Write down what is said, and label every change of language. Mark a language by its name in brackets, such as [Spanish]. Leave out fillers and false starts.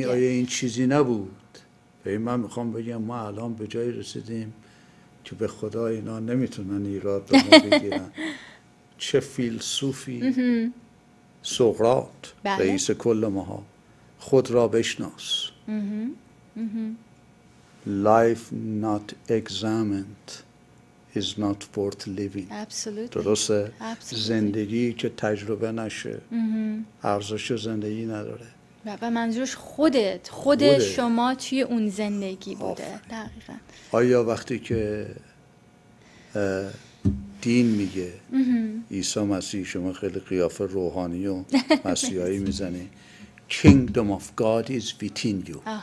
[Persian] این آیا این چیزی نبود؟ ببین من میخوام بگم ما الان به جای رسیدیم که به خدا اینا نمیتونن ایراد به ما بگیرن. چه فیلسوفی سقراط، بله؟ رئیس کل ماها، خود را بشناس. [English] Life not examined is not worth living. Absolutely. [Persian] درسته؟ Absolutely. زندگی که تجربه نشه ارزش زندگی نداره. و منظورش خودت. شما توی اون زندگی بوده. آفره. آیا وقتی که دین میگه عیسی مسیح، شما خیلی قیافه روحانی و مسیحایی میزنی، [English] Kingdom of God is within you.